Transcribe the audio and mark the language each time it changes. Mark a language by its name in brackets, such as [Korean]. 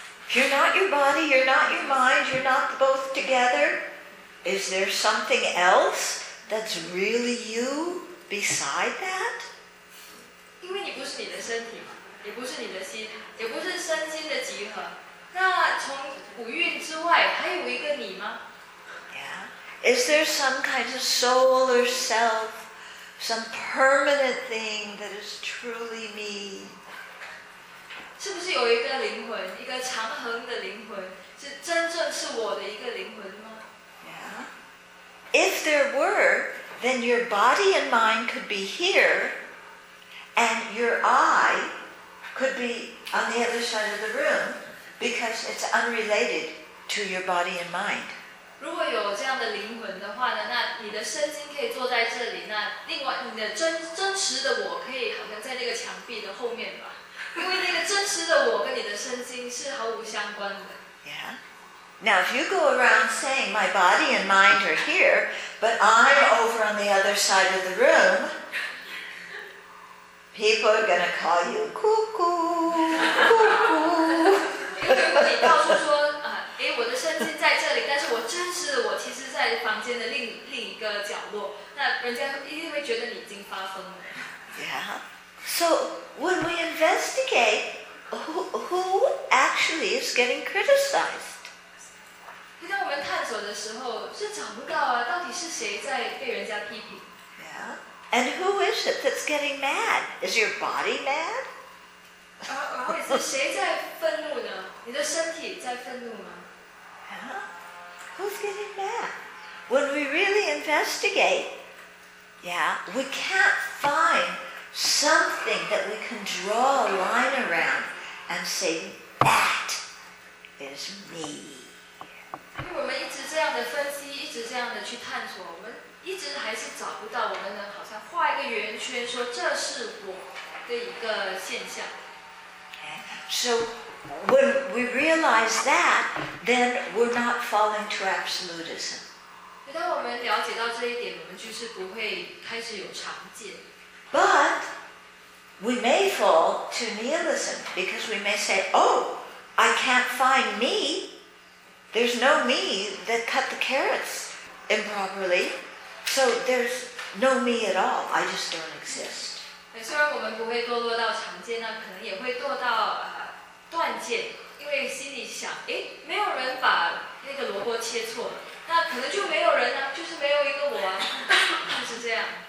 [English] You're not your body, you're not your mind, you're not both together. Is there something else that's really you beside that? [Chinese] 因为你不是你的身体，也不是你的心，也不是身心的集合。那从五蕴之外，还有一个你吗？ [English] Is there some kind of soul or self, some permanent thing that is truly me? [Chinese] 是不是有一个灵魂，一个长恒的灵魂，是真正是我的一个灵魂吗？ [English] Yeah. If there were, then your body and mind could be here, and your I could be on the other side of the room, because it's unrelated to your body and mind. [Chinese] 如果有这样的灵魂的话呢，那你的身心可以坐在这里，那另外你的真实的我可以好像在那个墙壁的后面吧，因为那个真实的我跟你的身心是毫无相关的。 [English] Yeah. Now if you go around saying my body and mind are here, but I'm over on the other side of the room, people are gonna call you cuckoo, cuckoo. [Chinese] 因为如果你到处说。哎，我的身心在这里，但是我真实的我其实在房间的另一个角落，那人家一定会觉得你已经发疯了。 [English] Yeah. So when we investigate, who actually is getting criticized? [Chinese] 当我们探索的时候，是找不到啊，到底是谁在被人家批评？ [English] Yeah. And who is it that's getting mad? Is your body mad? [Chinese] 是谁在愤怒呢？你的身体在愤怒吗？ [English] Who's getting mad? When we really investigate, yeah, we can't find something that we can draw a line around and say, that is me. [Chinese] 因为我们一直这样的分析，一直这样的去探索，我们一直还是找不到我们能好像画一个圆圈说这是我的一个现象。 [English] So when we realize that, then we're not falling to absolutism. [Chinese] 当我们了解到这一点，我们就是不会开始有常见。 [English] But we may fall to nihilism because we may say, "Oh, I can't find me. There's no me that cut the carrots improperly. So there's no me at all. I just don't exist." [Chinese] 虽然我们不会堕落到常见，那可能也会堕到。断见，因为心里想，哎，没有人把那个萝卜切错了，那可能就没有人啊，就是没有一个我啊，就是这样。